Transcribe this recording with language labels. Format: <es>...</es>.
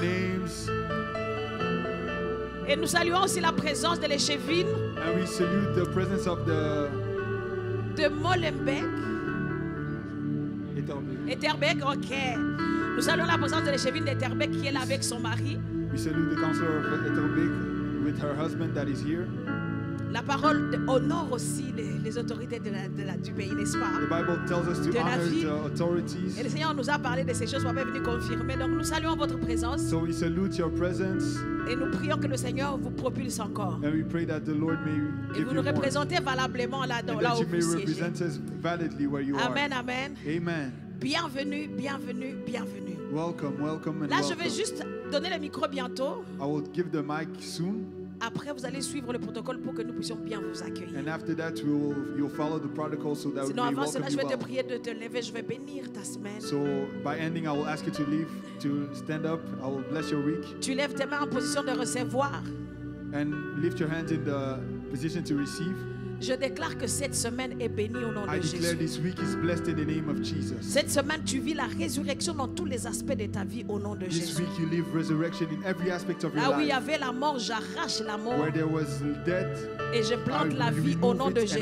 <en>Ask their names.</en> <fr>Et nous saluons aussi la présence de l'échevine.</fr> <en>And we salute the presence of the</en> <fr>de Molenbeek. Etterbeek, ok. Nous saluons la présence de l'échevine d'Etterbeek qui est là avec son mari.</fr> <en>We salute the counselor of Etterbeek with her husband that is here.</en> <fr>La parole honore aussi les autorités du pays, n'est-ce pas?</fr> <en>The Bible tells us to</en> <fr>de</fr> <en>honor the authorities.</en> <fr>Et le Seigneur nous a parlé de ces choses, vous avez venu confirmer. Donc nous saluons votre présence.</fr> <en>So we salute your presence.</en> <fr>Et nous prions que le Seigneur vous propulse encore.</fr> <en>And we pray that the Lord may give</en> <fr>et vous nous représentez valablement là, dans, là où</fr> <en>you</en> <fr>vous</fr> <en>may</en> <fr>siégez.</fr> <en>Represent us validly where you amen, are. Amen, amen.</en> <fr>Bienvenue, bienvenue, bienvenue.</fr> <en>Welcome, welcome and</en> <fr>là,</fr> <en>welcome.</en> <fr>Je vais juste donner le micro bientôt.</fr> <en>I will give the mic soon.</en> <fr>Après, vous allez suivre le protocole pour que nous puissions bien vous accueillir.</fr> <en>And after that, you'll follow the protocol so that</en> <fr>sinon, avant cela, je vais</fr> <en>well.</en> <fr>Te prier de te lever. Je vais bénir ta semaine.</fr> <en>So, by ending, I will ask you to leave, to stand up. I will bless your week.</en> <fr>Tu lèves tes mains en position de recevoir.</fr> <en>And lift your hands in the position to receive.</en> <fr>Je déclare que cette semaine est bénie au nom</fr> <en>I</en> <fr>de Jésus.</fr> <en>I declare this week is blessed in the name of Jesus.</en> <fr>Cette semaine, tu vis la résurrection dans tous les aspects de ta vie au nom de</fr> <en>this This week you live resurrection in every aspect of your</en> <fr>là</fr> <en>life.</en> <fr>Là où il y avait la mort, j'arrache la mort.</fr> <en>Where there was death,</en> <fr>et je plante la vie au nom de Jésus.</fr>